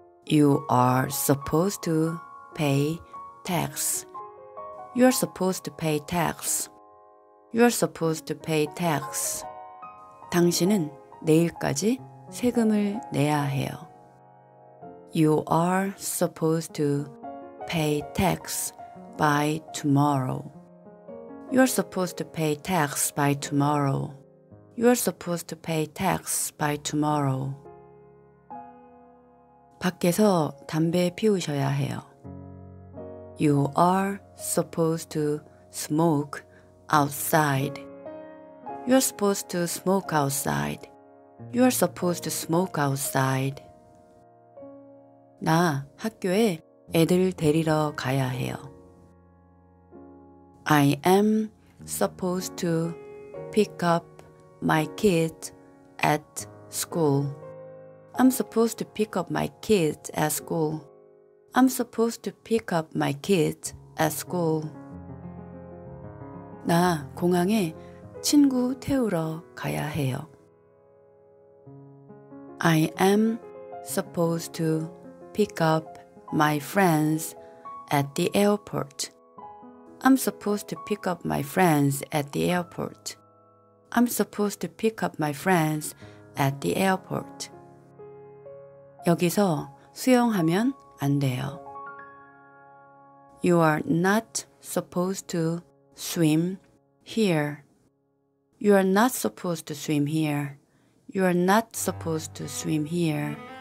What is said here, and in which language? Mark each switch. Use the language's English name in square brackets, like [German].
[English] You are supposed to pay tax. You are supposed to pay tax. You are supposed to pay tax. [Korean] 당신은 내일까지 세금을 내야 해요. [English] You are supposed to pay tax by tomorrow. You are supposed to pay tax by tomorrow. You are supposed to pay tax by tomorrow. [Korean] 밖에서 담배 피우셔야 해요. [English] You are supposed to smoke outside. You are supposed to smoke outside. You are supposed to smoke outside. [Korean] 나 학교에 애들 데리러 가야 해요. [English] I am supposed to pick up my kids at school. I'm supposed to pick up my kids at school. I'm supposed to pick up my kids at school. [Korean] 나 공항에 친구 태우러 가야 해요. [English] I am supposed to pick up my friends at the airport. I'm supposed to pick up my friends at the airport. I'm supposed to pick up my friends at the airport. [Korean] 여기서 수영하면 안 돼요. [English] You are not supposed to swim here. You are not supposed to swim here. You are not supposed to swim here.